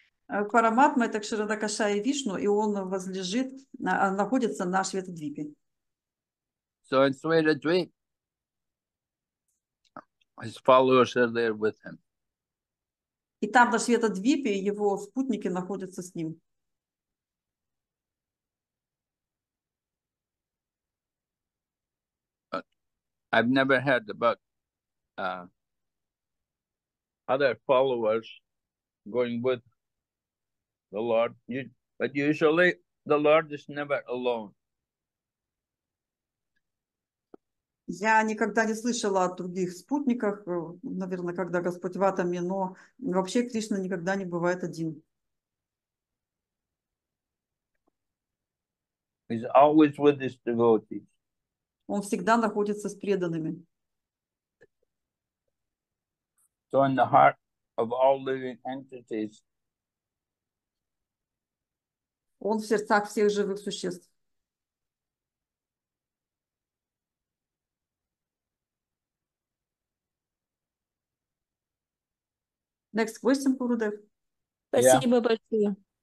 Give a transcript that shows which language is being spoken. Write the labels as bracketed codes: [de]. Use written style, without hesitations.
[ru] Параматма это Кширадакашая Вишну, и он возлежит, находится на Шветадвипе. [en] So in Svetadvipa, his followers are there with him. [ru] И там на Шветадвипе его спутники находятся с ним. [en] I've never heard about other followers going with the Lord, but usually the Lord is never alone. [ru] Я никогда не слышала о других спутниках, наверное, когда Господь в атоме, но вообще Кришна никогда не бывает один. [en] He's always with his devotees. [ru] Он всегда находится с преданными. [en] So in the heart of all living entities. [ru] Он в сердцах всех живых существ. [en] Next question, Gurudev. [ru] Спасибо [en] yeah. [ru] большое.